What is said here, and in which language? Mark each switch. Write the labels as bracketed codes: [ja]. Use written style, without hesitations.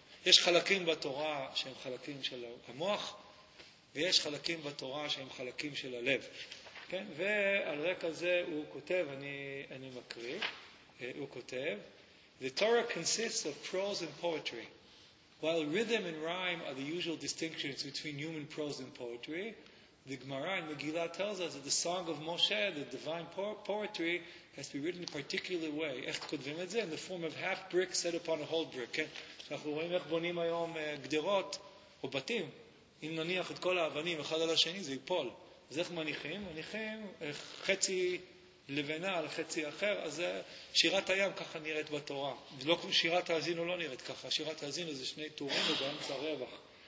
[he] יש חלקים בתורה שהם חלקים של המוח, ויש חלקים בתורה שהם חלקים של הלב. כן? ועל רקע זה הוא כותב, אני מקריא, הוא כותב, [en] The Torah consists of prose and poetry. While rhythm and rhyme are the usual distinctions between human prose and poetry, The Gemara in Megillah tells us that the song of Moshe, the divine poetry, has to be written in a particular way. [he] Ech kodvim et zeh, [en] in the form of half brick set upon a whole brick. [he] אנחנו רואים איך בונים היום גדרות או בתים. אם נניח את כל האבנים אחד על השני, זה ייפול. אז איך מניחים? מניחים חצי לבנה על חצי אחר, אז שירת הים ככה נראית בתורה. לא, שירת האזינו לא נראית ככה. שירת האזינו זה שני תורים ובאמצע רווח.